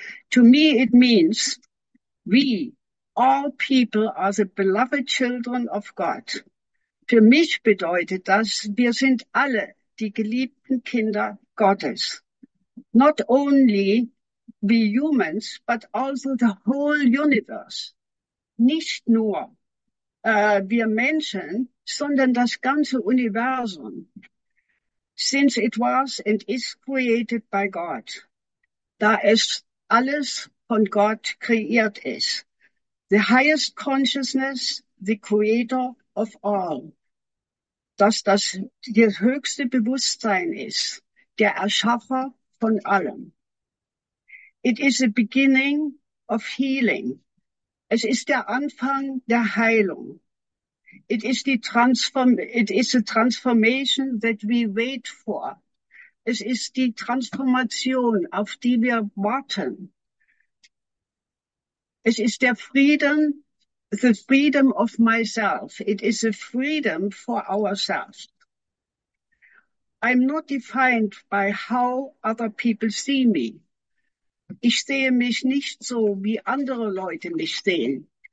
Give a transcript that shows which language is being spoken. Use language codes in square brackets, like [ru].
[en] To me it means we, all people, are the beloved children of God. [de] Für mich bedeutet das, wir sind alle die geliebten Kinder Gottes. [en] Not only we humans, but also the whole universe. [de] Nicht nur wir Menschen, sondern das ganze Universum. [en] Since it was and is created by God. [de] Da es alles von Gott kreiert ist. [en] The highest consciousness, the creator of all. [de] Dass das höchste Bewusstsein ist, der Erschaffer von allem. [en] It is the beginning of healing. [de] Es ist der Anfang der Heilung. [en] It is the transformation that we wait for. [de] Es ist die Transformation, auf die wir warten. Es ist der Frieden, [en] the freedom of myself. It is a freedom for ourselves. I'm not defined by how other people see me. [de] Ich sehe mich nicht so, wie andere Leute mich sehen.